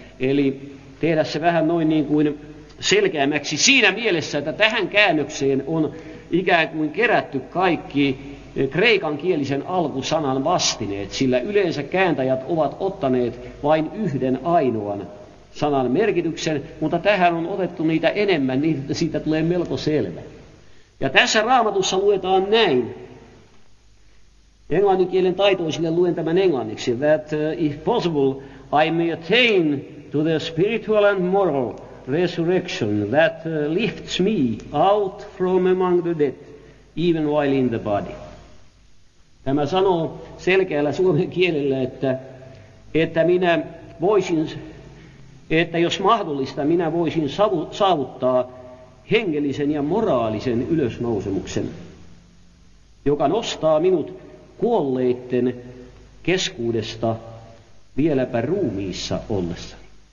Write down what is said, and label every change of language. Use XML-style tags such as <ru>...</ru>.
<fi>Eli tehdä se vähän noin niin kuin selkeämmäksi siinä mielessä, että tähän käännökseen on ikään kuin kerätty kaikki kreikan kielisen alkusanan vastineet, sillä yleensä kääntäjät ovat ottaneet vain yhden ainoan sanan merkityksen, mutta tähän on otettu niitä enemmän, niin siitä tulee melko selvä. Ja tässä raamatussa luetaan näin. Englannin kielen taitoisille luen tämän englanniksi.</fi> <en>That if possible I may attain to the spiritual and moral resurrection that lifts me out from among the dead, even while in the body.</en> <fi>Tämä sanoo selkeällä suomen kielellä, että minä voisin, että jos mahdollista, minä voisin saavuttaa hengellisen ja moraalisen ylösnousemuksen, joka nostaa minut kuolleitten keskuudesta vieläpä ruumiissa ollessani.</fi>